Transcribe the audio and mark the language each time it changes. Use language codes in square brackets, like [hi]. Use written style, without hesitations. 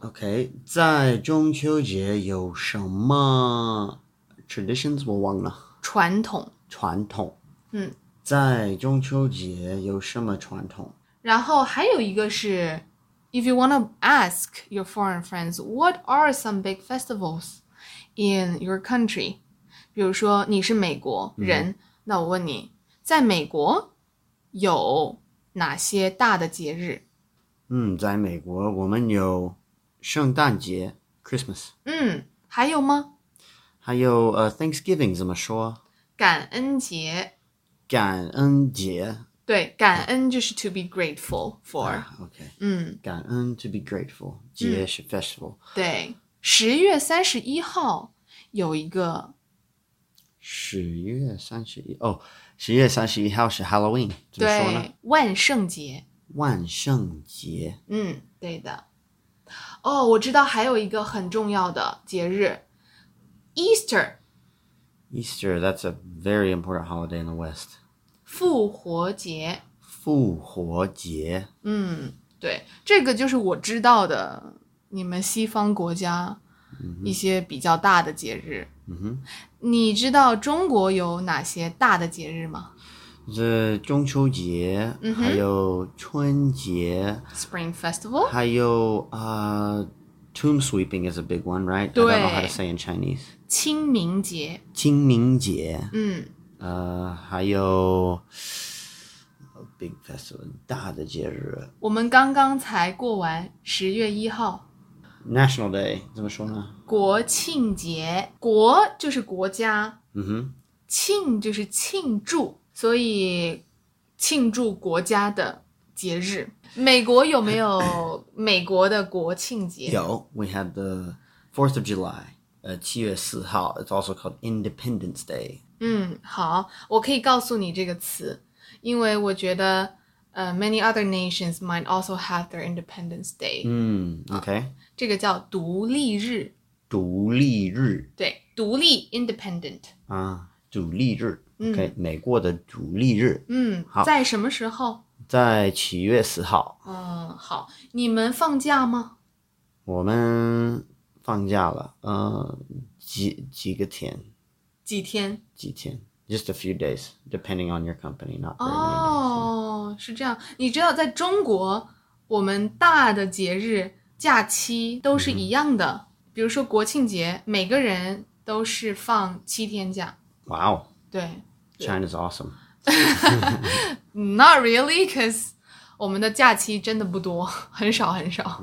[zh] Okay, 在中秋节有什么 traditions? 我忘了。传统。传统。嗯。在中秋节有什么传统？然后还有一个是 [en] if you want to ask your foreign friends, what are some big festivals in your country? [zh] 比如说你是美国人，那我问你，在美国有哪些大的节日？在美国我们有圣诞节 Christmas. 还有吗还有Thanksgiving 怎么说感恩节。感恩节。对感恩就是 [en] to be grateful for. Okay. [zh] 嗯感恩 [en] to be grateful. [zh] 节是 festival. 对。10月31号有一个。 10月31号是 Halloween. 怎么说呢对万圣节。万圣节。对的。哦、我知道还有一个很重要的节日。 [en] Easter。 Easter, that's a very important holiday in the West. [zh] 复活节。复活节。对。这个就是我知道的你们西方国家一些比较大的节日。你知道中国有哪些大的节日吗 The 中秋节、还有春节 [en] Spring Festival [zh] 还有、 [en] Tomb Sweeping is a big one, right? [zh] 对 [en] I don't know how to say in Chinese [zh] 清明节清明节、还有 Big Festival 大的节日我们刚刚才过完10月1号 National Day 怎么说呢国庆节国就是国家、庆就是庆祝所以庆祝国家的节日。美国有没有美国的国庆节 [en] 有 we have the 4th of July, 7月4号 it's also called Independence Day. [zh] 好我可以告诉你这个词因为我觉得、 [en] many other nations might also have their Independence Day. Okay. [zh] 这个叫独立日。独立日。对独立 Independent. 独立日。OK,、美国的独立日。好。在什么时候在7月4号。好。你们放假吗我们放假了。几个天。几天几天。 [en] Just a few days, depending on your company, not very many days. [zh] 是这样。你知道在中国我们大的节日假期都是一样的。比如说国庆节，每个人都是放七天假。 [en] Wow. [zh] 对。 [en] China's awesome. Not really, because [zh] 我们的假期真的不多，很少很少。